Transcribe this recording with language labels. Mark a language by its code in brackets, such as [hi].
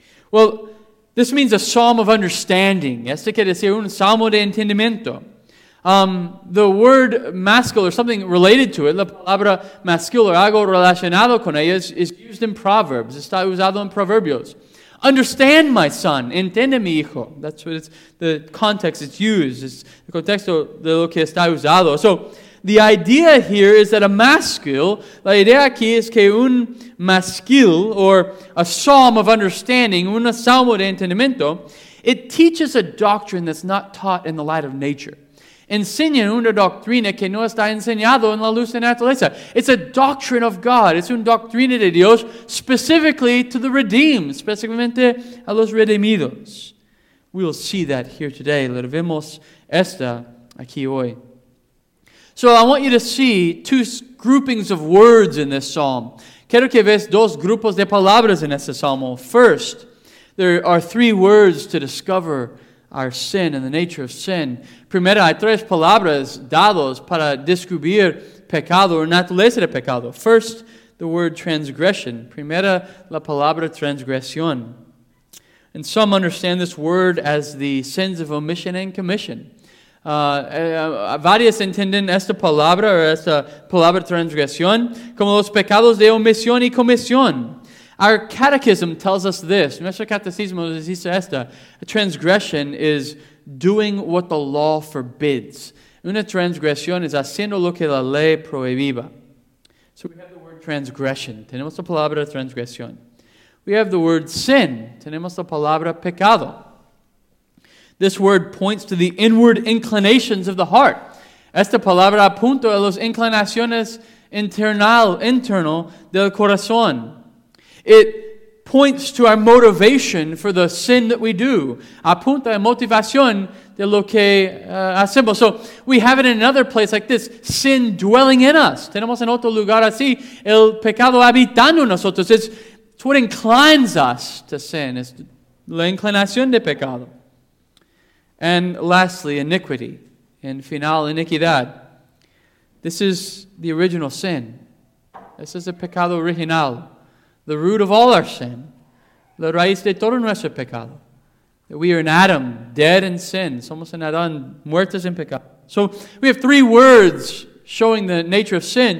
[en] Well, this means a psalm of understanding. [es] Este quiere decir un salmo de entendimiento. [en] The word masculine, or something related to it, [es] la palabra masculina, or algo relacionado con ella, [en] is used in Proverbs. [es] Está usado en Proverbios. [en] Understand, my son. [es] Entiende, mi hijo. [en] That's what it's, the context it's used. It's the [es] contexto de lo que está usado. [en] So, the idea here is that a masculine, [es] la idea aquí es que un masculine, [en] or a psalm of understanding, [es] un salmo de entendimiento, [en] it teaches a doctrine that's not taught in the light of nature. [es] Enseña una doctrina que no está enseñado en la luz de naturaleza. [en] It's a doctrine of God. It's [es] una doctrina de Dios [en] specifically to the redeemed, [es] específicamente a los redimidos. [en] We'll see that here today. [es] Lo vemos esta aquí hoy. [en] So I want you to see two groupings of words in this psalm. [es] Quiero que veas dos grupos de palabras en este salmo. [en] First, there are three words to discover our sin and the nature of sin. [es] Primero, hay tres palabras dados para describir pecado o naturaleza de pecado. [en] First, the word transgression. [es] Primera, la palabra transgresión. [en] And some understand this word as the sins of omission and commission. [es] Varios entienden esta palabra o esta palabra transgresión como los pecados de omisión y comisión. [en] Our catechism tells us this. [es] Nuestro catecismo nos dice esta. [en] A transgression is doing what the law forbids. [es] Una transgresión es haciendo lo que la ley prohibiba. [en] So we have the word transgression. [es] Tenemos la palabra transgresión. [en] We have the word sin. [es] Tenemos la palabra pecado. [en] This word points to the inward inclinations of the heart. [es] Esta palabra apunta a las inclinaciones internal del corazón. [en] It points to our motivation for the sin that we do. [es] Apunta a motivación de lo que hacemos. [en] So we have it in another place like this. Sin dwelling in us. [es] Tenemos en otro lugar así. El pecado habitando nosotros. [en] It's what inclines us to sin. [es] Es la inclinación de pecado. [en] And lastly, iniquity. [es] En final, iniquidad. [en] This is the original sin. This is a [es] pecado original. [en] The root of all our sin. [es] La raíz de todo nuestro pecado. [en] That we are in Adam, dead in sin. [es] Somos en Adán, muertos en pecado. [en] So we have three words showing the nature of sin.